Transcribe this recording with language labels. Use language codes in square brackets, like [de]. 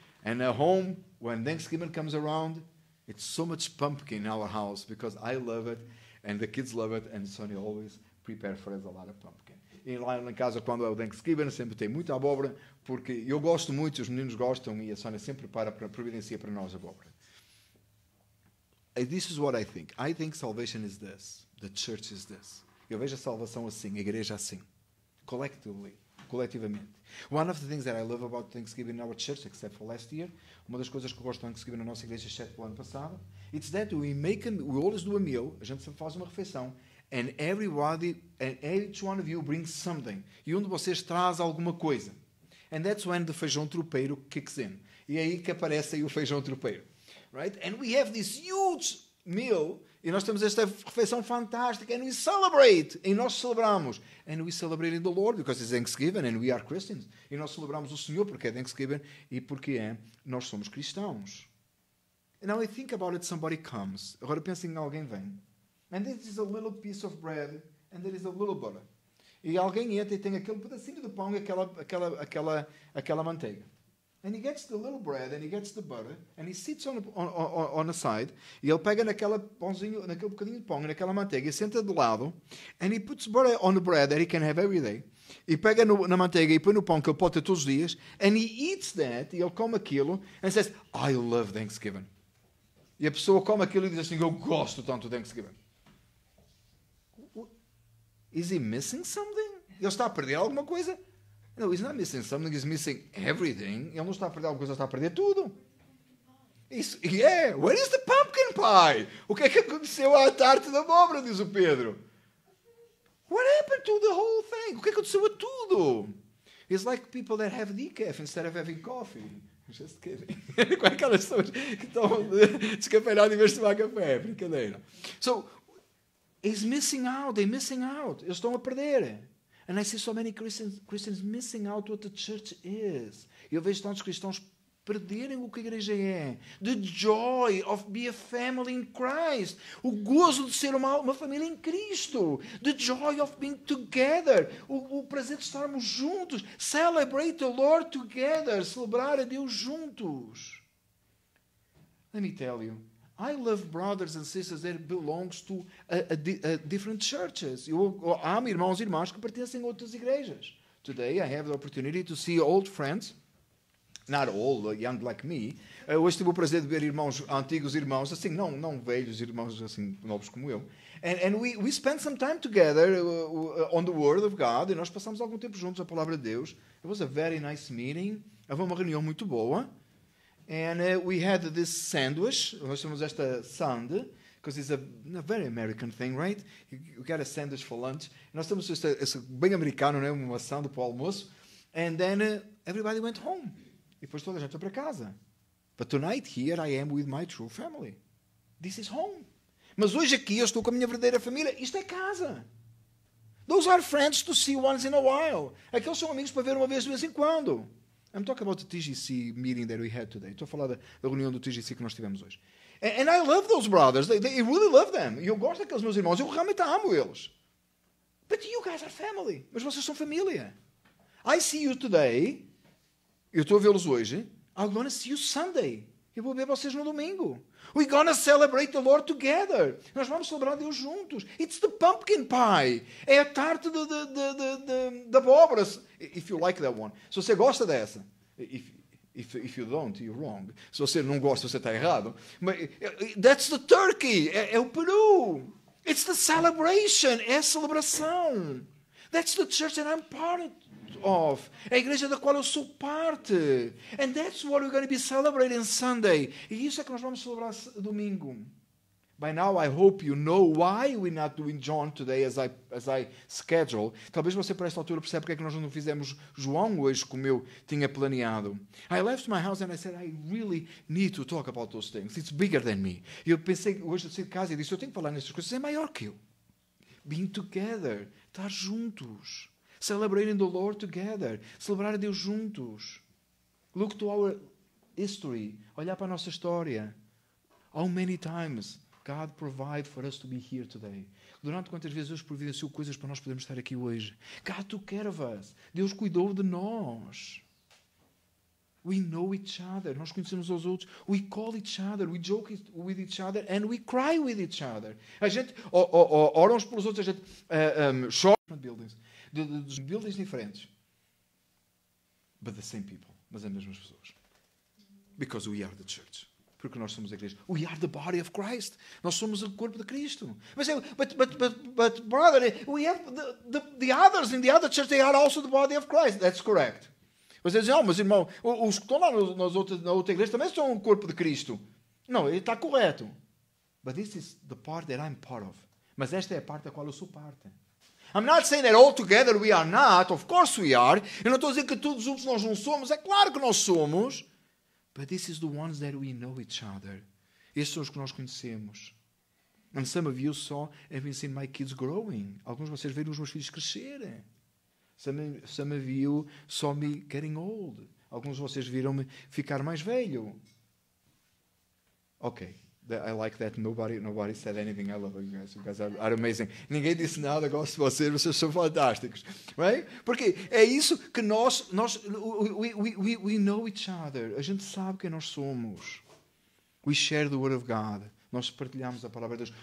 [en] And at home, when Thanksgiving comes around, it's so much pumpkin in our house because I love it and the kids love it and Sonny always prepares for us a lot of pumpkin. [pt] E lá em casa, quando é o Thanksgiving, sempre tem muita abóbora porque eu gosto muito, os meninos gostam e a Sonny sempre providencia para nós abóbora. [en] And this is what I think. I think salvation is this. The church is this. [pt] Eu vejo a salvação assim, a igreja assim. Coletivamente. [en] One of the things that I love about Thanksgiving in our church, except for last year, [pt] uma das coisas que eu gosto de Thanksgiving na nossa igreja, exceto o ano passado, [en] it's that we always do a meal, [pt] a gente sempre faz uma refeição, [en] and everybody, and each one of you brings something. [pt] E um de vocês traz alguma coisa. [en] And that's when the feijão tropeiro kicks in. [pt] E aí que aparece aí o feijão tropeiro. [en] Right? And we have this huge meal, [pt] e nós temos esta refeição fantástica, [en] and we celebrate, [pt] e nós celebramos, [en] and we celebrate in the Lord, because it's Thanksgiving, and we are Christians, [pt] e nós celebramos o Senhor, porque é Thanksgiving, e porque é, nós somos cristãos. [en] Now I think about it, somebody comes, [pt] agora pensa em alguém vem, [en] and this is a little piece of bread, and there is a little butter, [pt] e alguém entra e tem aquele pedacinho de pão e aquela manteiga, [en] And he gets the little bread and he gets the butter and he sits on a side. [pt] E ele pega naquela pãozinho, naquele bocadinho de pão, naquela manteiga, e senta de lado. [en] And he puts butter on the bread that he can have every day. [pt] E pega no, na manteiga e põe no pão que ele pode ter todos os dias. [en] And he eats that, [pt] e ele come aquilo, [en] and says, I love Thanksgiving. [pt] E a pessoa come aquilo e diz assim, eu gosto tanto de Thanksgiving. [en] Is he missing something? [pt] Ele está a perder alguma coisa? [en] No, he's not missing something, he's missing everything. [pt] Ele não está a perder alguma coisa, ele está a perder tudo. Isso, [en] yeah, where is the pumpkin pie? [pt] O que é que aconteceu à tarte da abóbora, diz o Pedro. [en] What happened to the whole thing? [pt] O que aconteceu a tudo? [en] It's like people that have decaf instead of having coffee. Just kidding. [pt] Com aquelas pessoas que estão descafeinadas em vez de tomar café. Brincadeira. [en] So, he's missing out. They're missing out. [pt] Eles estão a perder. [en] And I see so many Christians missing out what the church is. [pt] Eu vejo tantos cristãos perderem o que a igreja é. [en] The joy of being a family in Christ. [pt] O gozo de ser uma família em Cristo. [en] The joy of being together. [pt] O prazer de estarmos juntos. [en] Celebrate the Lord together. [pt] Celebrar a Deus juntos. [en] Let me tell you. I love brothers and sisters that belongs to different churches. [pt] Eu amo irmãos e irmãs que pertencem a outras igrejas. [en] Today I have the opportunity to see old friends. Not old, young like me. [pt] Hoje tive o prazer de ver irmãos, antigos irmãos, assim, não velhos irmãos, assim, novos como eu. [en] And we spent some time together on the Word of God, [pt] e nós passamos algum tempo juntos a Palavra de Deus. [en] It was a very nice meeting. [pt] Houve uma reunião muito boa. [en] And we had this sandwich. [pt] Nós temos esta sande, [en] because it's a very American thing, right? You got a sandwich for lunch. [pt] Nós temos esta bem americano, né? Uma sande para o almoço. [en] And then everybody went home. [pt] E depois toda a gente foi para casa. [en] But tonight here I am with my true family. This is home. [pt] Mas hoje aqui eu estou com a minha verdadeira família. Isto é casa. [en] Those are friends to see once in a while. [pt] Aqueles são amigos para ver uma vez de vez em quando. [en] I'm talking about the TGC meeting that we had today. [pt] Estou a falar da reunião do TGC que nós tivemos hoje. [en] And I love those brothers. I really love them. [pt] Eu gosto daqueles meus irmãos. Eu realmente amo eles. [en] But you guys are family. [pt] Mas vocês são família. [en] I see you today. [pt] Eu estou a vê-los hoje. [en] I'm going to see you Sunday. [pt] Eu vou ver vocês no domingo. [en] We're going to celebrate the Lord together. [pt] Nós vamos celebrar Deus juntos. [en] It's the pumpkin pie. [pt] É a tarte de abóbora. [en] If you like that one. [pt] Se você gosta dessa. [en] If you don't, you're wrong. [pt] Se você não gosta, você está errado. [en] But, that's the turkey. [pt] É o peru. [en] It's the celebration. [pt] É a celebração. [en] That's the church that I'm part of. Of. [pt] A igreja da qual eu sou parte. [en] And that's what we're going to be celebrating Sunday. [pt] E isso é que nós vamos celebrar domingo. [en] By now I hope you know why we're not doing John today as I schedule. [pt] Talvez você para esta altura perceba porque é que nós não fizemos João hoje como eu tinha planeado. [en] I left my house and I said I really need to talk about those things. It's bigger than me. [pt] Eu pensei hoje de sair de casa e disse eu tenho que falar nestas coisas. É maior que eu. [en] Being together. [pt] Estar juntos. [en] Celebrating the Lord together. [pt] Celebrar a Deus juntos. [en] Look to our history. Olhar para a nossa história. How many times God provided for us to be here today. [pt] Durante quantas vezes Deus providenciou coisas para nós podermos estar aqui hoje. [en] God took care of us. [pt] Deus cuidou de nós. [en] We know each other. [pt] Nós conhecemos os outros. [en] We call each other. We joke with each other. And we cry with each other. [pt] A gente ora uns pelos outros. A gente chora. Buildings. Dos buildings diferentes. [en] But the same people. [pt] Mas as mesmas pessoas. [en] Because we are the church. [pt] Porque nós somos a igreja. [en] We are the body of Christ. [pt] Nós somos o corpo de Cristo. [en] But brother, we have the others in the other church, they are also the body of Christ. That's correct. [pt] Você diz, oh, mas irmão, os que estão lá na outra igreja também são o corpo de Cristo. Não, ele está correto. [en] But this is the part that I'm part of. [pt] Mas esta é a parte da qual eu sou parte. [en] I'm not saying that all together we are not. Of course we are. [pt] Eu não estou a dizer que todos juntos nós não somos. É claro que nós somos. [en] But this is the ones that we know each other. [pt] Estes são os que nós conhecemos. [en] And some of you saw, have been seeing my kids growing. [pt] Alguns de vocês viram os meus filhos crescerem. [en] Some of you saw me getting old. [pt] Alguns de vocês viram-me ficar mais velho. Ok. [en] I like that. Nobody said anything. I love you guys. You guys are amazing. [pt] Ninguém disse nada. Gosto de vocês. Vocês são fantásticos. Right? Porque é isso que nós [en] we know each other. [pt] A gente sabe quem nós somos. [en] We share the word of God. [pt] Nós partilhamos a palavra de Deus.